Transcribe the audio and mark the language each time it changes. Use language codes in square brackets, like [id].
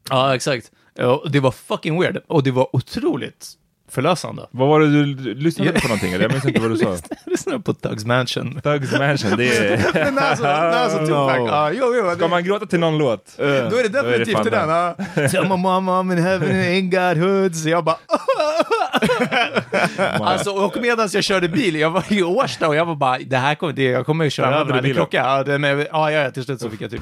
[sv] Ja, exakt. Det var fucking weird. Och det var otroligt förlösande. Vad var det du lyssnade på någonting? Eller? Jag minns inte vad du sa. Jag lyssnade på Thugs Mansion. Thugs Mansion, det är... Näsa Tupac. Ska man gråta till någon låt? Då är det definitivt till den. [en] Tell my mom I'm in heaven, ain't got hoods. [sv] Jag bara... alltså, och medan jag körde bil, jag var i Årsta och jag var bara, det här kommer, jag kommer att köra över den klockan. Ja, till slut så fick jag typ